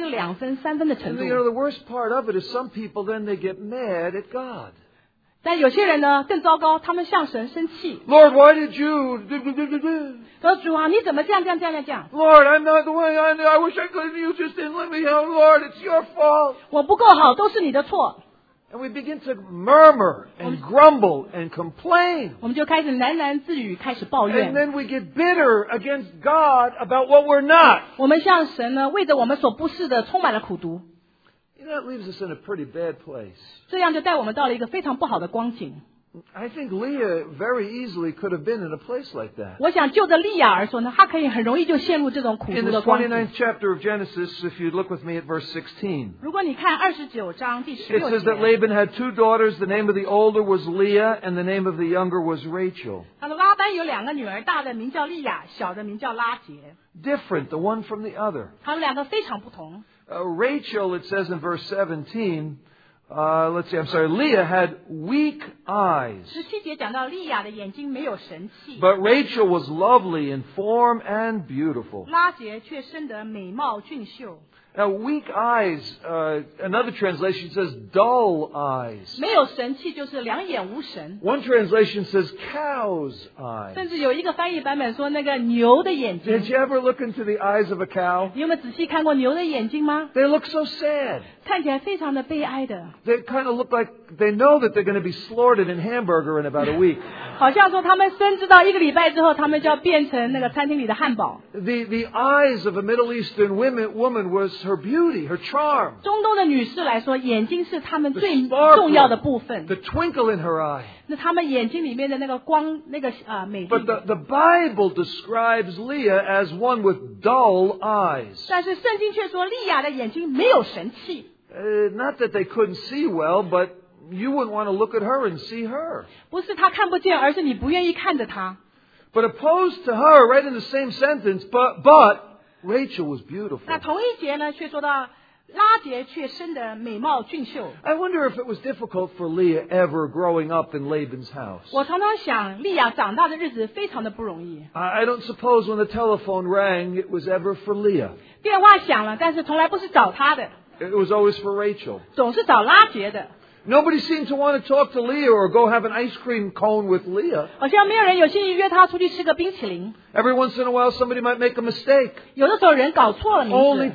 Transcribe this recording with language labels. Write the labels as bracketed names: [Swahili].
[English] And you know, the worst part of it is some people then they get mad at God. [Chinese] 但有些人呢, 更糟糕, 他们向神生气。 [English] Lord, why did you... [Chinese] 说主啊, 你怎么这样, [English] Lord, I'm not the way I know. I wish I could, you just didn't let me out. Lord, it's your fault. [Chinese] 我不够好, 都是你的错。 [English] And we begin to murmur and grumble and complain. [Chinese] 我们就开始喃喃自语, 开始抱怨。 [English] And then we get bitter against God about what we're not. [Chinese] 我们向神呢, 为着我们所不是的, 充满了苦毒。 [English] You know, that leaves us in a pretty bad place. [Chinese] 这样就带我们到了一个非常不好的光景。 [English] I think Leah very easily could have been in a place like that. [Chinese] 我想就着利亚而说呢, 她可以很容易就陷入这种苦毒的光景。 [English] In the 29th chapter of Genesis, if you look with me at verse 16, [Chinese] 如果你看29章第16节, [English] it says that Laban had two daughters, the name of the older was Leah, and the name of the younger was Rachel. [Chinese] 拉班有两个女儿, 大的名叫利亚, 小的名叫拉杰。 [English] Different, the one from the other. [Chinese] 他们两个非常不同。 [English] Rachel, it says in verse 17, Leah had weak eyes. [Chinese] 17节讲到利亚的眼睛没有神气, [English] but Rachel was lovely in form and beautiful. [Chinese] 拉杰却生得美貌俊秀。 [English] Now, weak eyes, another translation says dull eyes. [Chinese] 没有神气就是两眼无神。 [English] One translation says cow's eyes. [Chinese] 甚至有一个翻译版本说那个牛的眼睛。 [English] Did you ever look into the eyes of a cow? [Chinese] 你有没有仔细看过牛的眼睛吗? [English] They look so sad. [Chinese] 看起来非常的悲哀的。 [English] They kind of look like they know that they're going to be slaughtered in hamburger in about a week. [Chinese] 好像说他们深知道一个礼拜之后他们就要变成那个餐厅里的汉堡。 [English] The eyes of a Middle Eastern woman was her beauty, her charm. [Chinese] 中东的女士来说, 眼睛是她们最重要的部分。 [English] The twinkle in her eye. [Chinese] 那她们眼睛里面的那个光, 那个美丽。 [English] But the Bible describes Leah as one with dull eyes. [Chinese] 但是圣经却说, 利亚的眼睛没有神气。 [English] Not that they couldn't see well, but you wouldn't want to look at her and see her. [Chinese] 不是她看不见, 而是你不愿意看着她。 [English] But opposed to her, right in the same sentence, but Rachel was beautiful. [Chinese] 那同一节呢, 却说到, 拉杰却生得美貌俊秀。 [English] I wonder if it was difficult for Leah ever growing up in Laban's house. [Chinese] 我常常想利亚长大的日子非常的不容易。 [English] I don't suppose when the telephone rang, it was ever for Leah. [Chinese] 电话响了, 但是从来不是找她的。 [English] It was always for Rachel. [Chinese] 总是找拉杰的。 [English] Nobody seemed to want to talk to Leah or go have an ice cream cone with Leah. [Chinese] 好像没有人有心意约她出去吃个冰淇淋。 [English] Every once in a while, somebody might make a mistake. [Chinese] 有的时候人搞错了名字。